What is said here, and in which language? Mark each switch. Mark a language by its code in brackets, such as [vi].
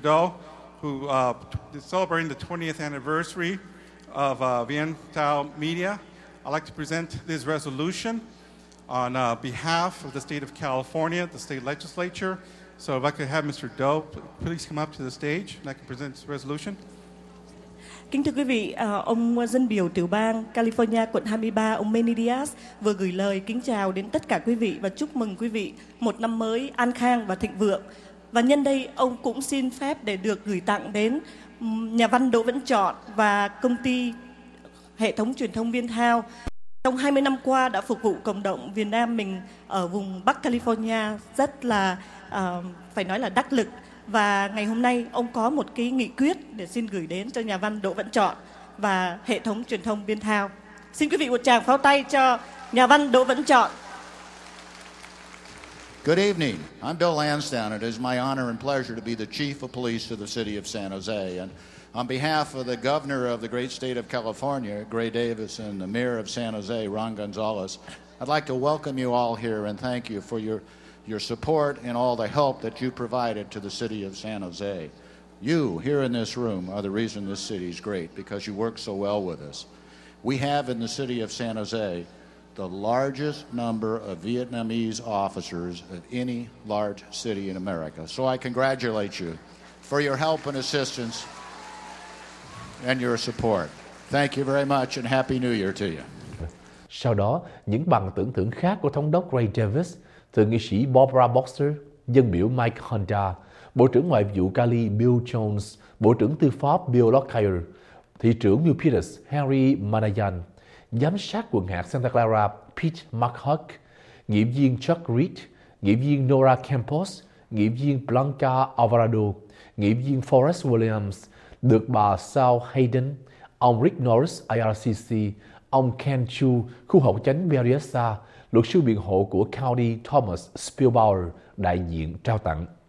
[en] Do, who is celebrating the 20th anniversary of Viên Thao Media. I'd like to present this resolution on behalf of the state of California, the state legislature. So if I could have Mr. Do please come up to the stage and I can present this resolution. [vi] Kính thưa quý vị, ông dân biểu tiểu bang California quận 23, ông Manny Diaz vừa gửi lời kính chào đến tất cả quý vị và chúc mừng quý vị một năm mới an khang và thịnh vượng. Và nhân đây, ông cũng xin phép để được gửi tặng đến nhà văn Đỗ Vẫn Chọn và công ty hệ thống truyền thông Viên Thao trong 20 năm qua đã phục vụ cộng đồng Việt Nam mình ở vùng Bắc California rất là, phải nói là đắc lực. Và ngày hôm nay ông có một cái nghị quyết để xin gửi đến cho nhà văn Đỗ Vẫn Chọn và hệ thống truyền thông Biên Thao. Xin quý vị một tràng pháo tay cho nhà văn Đỗ Vẫn Chọn. [en] Good evening. I'm Bill Lansdowne. It is my honor and pleasure to be the chief of police of the city of San Jose. And on behalf of the governor of the great state of California, Gray Davis, and the mayor of San Jose, Ron Gonzalez, I'd like to welcome you all here and thank you for your support and all the help that you provided to the city of San Jose. You, here in this room, are the reason this city is great, because you work so well with us. We have in the city of San Jose the largest number of Vietnamese officers of any large city in America. So I congratulate you for your help and assistance and your support. Thank you very much and Happy New Year to you. [vi] Sau đó, những bằng tưởng thưởng khác của Thống đốc Gray Davis, Thượng nghị sĩ Barbara Boxer, dân biểu Mike Honda, Bộ trưởng Ngoại vụ Cali Bill Jones, Bộ trưởng Tư pháp Bill Lockyer, Thị trưởng New Peters Harry Manayan, Giám sát quận hạt Santa Clara Pete McHugh, Nghị viên Chuck Reed, Nghị viên Nora Campos, Nghị viên Blanca Alvarado, Nghị viên Forrest Williams, được bà Sal Hayden, ông Rick Norris IRCC, ông Ken Chu, khu hậu chánh Berryessa, luật sư biện hộ của County Thomas Spielbauer đại diện trao tặng.